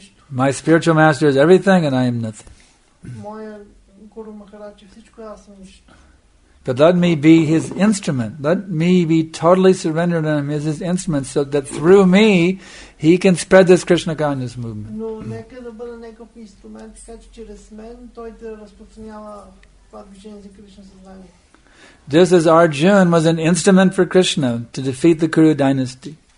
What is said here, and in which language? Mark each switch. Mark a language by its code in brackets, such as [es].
[en] My spiritual master is everything and I am nothing. [bg] Гуру Махараджа, всичко аз съм нищо. [en] But let me be his instrument. Let me be totally surrendered to him as his instrument so that through me he can spread this Krishna consciousness movement. [bg] Но нека да бъда някакъв инструмент, така че чрез мен той да разпространява това движение за Кришна съзнание. [en] Just as Arjuna was an instrument for Krishna to defeat the Kuru dynasty.